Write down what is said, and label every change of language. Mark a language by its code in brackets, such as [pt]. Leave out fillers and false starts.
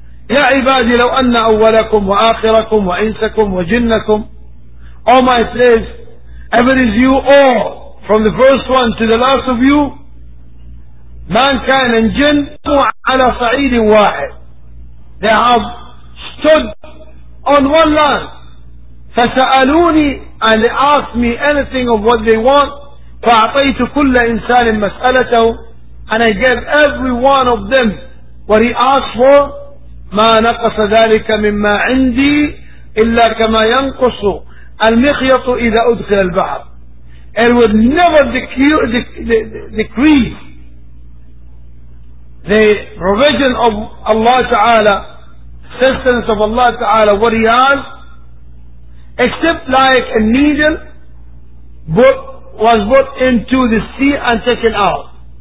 [ar] يا عبادي لو أن أولكم وآخركم وإنسكم وجنكم. [en] Oh my slaves, if it is you all, from the first one to the last of you, mankind and jinn, [ar] على صعيد واحد, [en] they have stood on one land. [ar] فسألوني, [en] and they asked me anything of what they want. [ar] فأعطيت كل إنسان مسألته, [en] and I gave every one of them what he asked for. [ar] ما نقص ذلك مما عندي إلا كما ينقص المخيط إذا أدخل البحر. [en] It would never decrease the provision of Allah Ta'ala, sustenance of Allah Ta'ala, what he has, except like a needle was put into the sea and taken out.